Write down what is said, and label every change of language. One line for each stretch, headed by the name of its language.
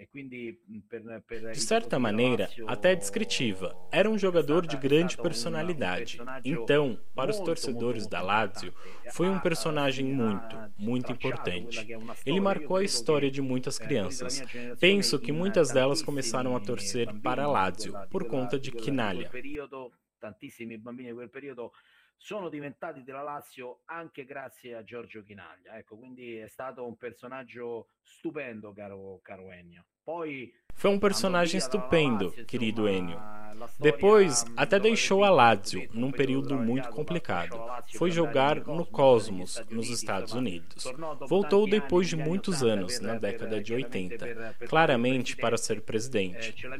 Portuguese: De certa maneira, até descritiva, era um jogador de grande personalidade. Então, para os torcedores da Lazio, foi um personagem muito, muito importante. Ele marcou a história de muitas crianças. Penso que muitas delas começaram a torcer para a Lazio por conta de Chinaglia.
Italian: Tantissimi bambini in quel periodo sono diventati della Lazio anche grazie a Giorgio Chinaglia. Ecco, quindi è stato un personaggio stupendo, caro Ennio.
Portuguese: Foi um personagem estupendo, querido Ennio. Depois, até deixou a Lazio, num período muito complicado. Foi jogar no Cosmos, nos Estados Unidos. Voltou depois de muitos anos, na década de 80, claramente para ser presidente.